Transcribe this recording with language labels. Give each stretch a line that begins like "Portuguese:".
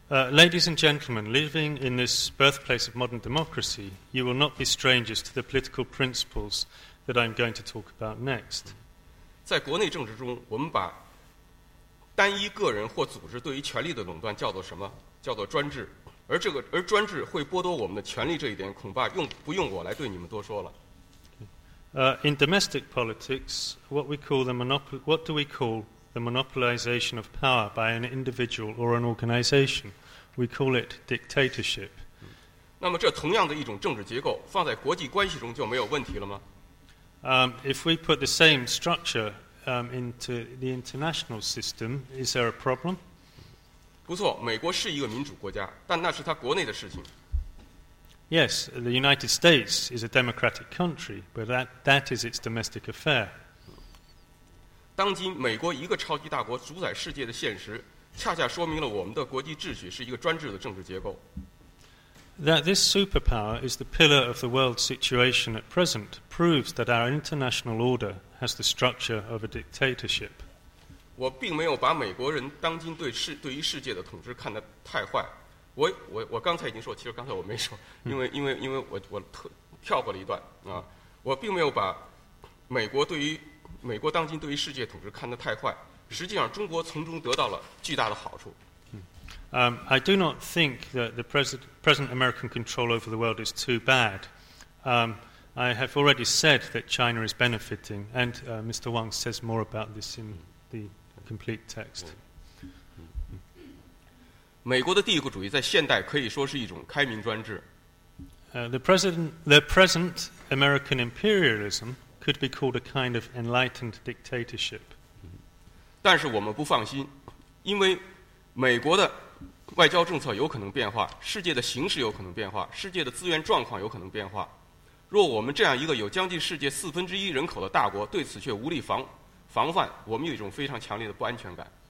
English: Ladies and gentlemen, living in this birthplace of modern democracy, you will not be strangers to the political principles that I'm going to talk about next.
Chinese: 在国内政治中，我们把单一个人或组织对于权力的垄断叫做什么？叫做专制。而专制会剥夺我们的权力，这一点恐怕不用我来对你们多说了。
English: In domestic politics, what do we call the monopolization of power by an individual or an organization? We call it dictatorship.
Chinese: 那么这同样的一种政治结构放在国际关系中就没有问题了吗？
English: If we put the same structure into the international system, is there a problem?
Chinese: 不错，美国是一个民主国家，但那是它国内的事情。
English: Yes, the United States is a democratic country, but that is its domestic affair.
Chinese: 当今美国一个超级大国主宰世界的现实，恰恰说明了我们的国际秩序是一个专制的政治结构。
English: That this superpower is the pillar of the world situation at present proves that our international order has the structure of a dictatorship.
Chinese: 我并没有把美国人当今对于世界的统治看得太坏。我刚才已经说，其实刚才我没说，因为我跳过了一段啊，我并没有把美国当今对于世界统治看得太坏。实际上，中国从中得到了巨大的好处。
English: I do not think that the present American control over the world is too bad. I have already said that China is benefiting, and Mr. Wang says more about this in the complete text.
Chinese: 美国的帝国主义在现代可以说是一种开明专制。
English: The present American imperialism could be called a kind of enlightened dictatorship.
Chinese: 但是我们不放心，因为美国的外交政策有可能变化，世界的形势有可能变化，世界的资源状况有可能变化。若我们这样一个有将近世界四分之一人口的大国对此却无力防范，我们有一种非常强烈的不安全感。